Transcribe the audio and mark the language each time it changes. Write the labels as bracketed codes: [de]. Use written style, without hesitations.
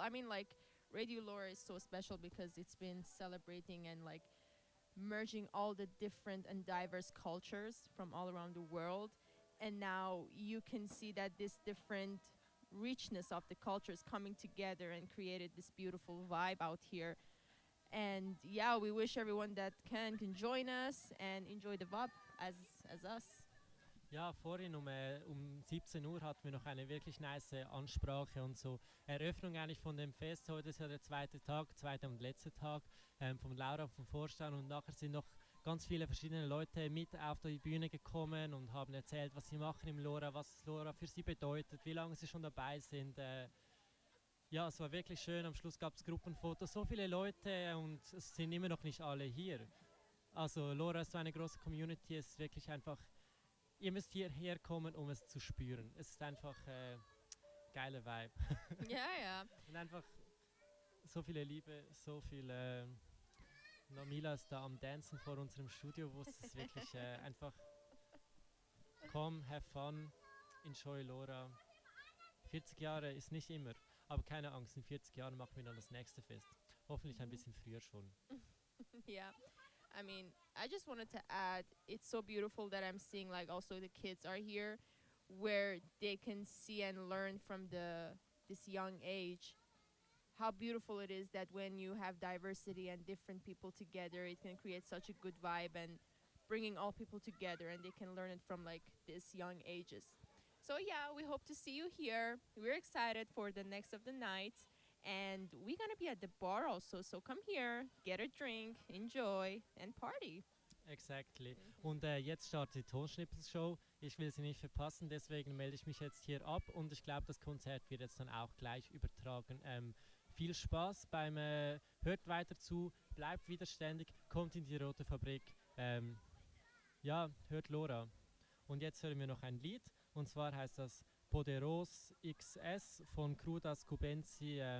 [en] I mean, like, Radio Laura is so special because it's been celebrating and like merging all the different and diverse cultures from all around the world. And now you can see that this different richness of the cultures coming together and created this beautiful vibe out here. And yeah, we wish everyone that can join us and enjoy the vibe as us. [de] Ja, vorhin um 17 Uhr hatten wir noch eine wirklich nice Ansprache und so Eröffnung eigentlich von dem Fest. Heute ist ja der zweite und letzte Tag von Laura, vom Vorstand, und nachher sind noch ganz viele verschiedene Leute mit auf die Bühne gekommen und haben erzählt, was sie machen im Laura, was Laura für sie bedeutet, wie lange sie schon dabei sind. Ja, es war wirklich schön. Am Schluss gab es Gruppenfotos, so viele Leute, und es sind immer noch nicht alle hier. Also Laura ist so eine große Community, es ist wirklich einfach, ihr müsst hierher kommen, um es zu spüren. Es ist einfach ein geiler Vibe. Ja, ja. Und einfach so viele Liebe, so viel. Namila ist da am Dancen vor unserem Studio, wo es ist wirklich einfach. Komm, [en] have fun, enjoy Laura. [de] 40 Jahre ist nicht immer, aber keine Angst, in 40 Jahren machen wir dann das nächste Fest. Hoffentlich ein bisschen früher schon. Ja. [en] I mean, I just wanted to add, it's so beautiful that I'm seeing, like, also the kids are here, where they can see and learn from this young age how beautiful it is that when you have diversity and different people together, it can create such a good vibe and bringing all people together, and they can learn it from, like, this young ages. So, yeah, we hope to see you here. We're excited for the next of the night. And we're gonna be at the bar also, so come here, get a drink, enjoy and party. Exactly. [de] Und jetzt startet die Tonschnipsel-Show. Ich will sie nicht verpassen, deswegen melde ich mich jetzt hier ab, und ich glaube, das Konzert wird jetzt dann auch gleich übertragen. Viel Spaß beim hört weiter zu, bleibt widerständig, kommt in die Rote Fabrik. Ja, hört Laura. Und jetzt hören wir noch ein Lied, und zwar heißt das Poderos XS von Crudas Cubensi.